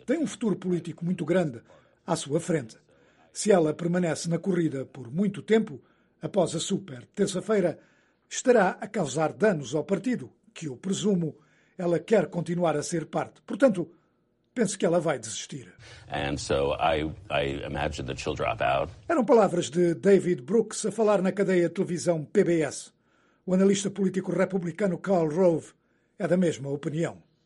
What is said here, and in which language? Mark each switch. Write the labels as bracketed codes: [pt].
[pt] Tem um futuro político muito grande à sua frente. Se ela permanece na corrida por muito tempo, após a super terça-feira, estará a causar danos ao partido, que eu presumo ela quer continuar a ser parte. Portanto, penso que ela vai desistir. [en] And so I imagine that she'll drop out. [pt] Eram palavras de David Brooks a falar na cadeia de televisão PBS. O analista político republicano Karl Rove é da mesma opinião.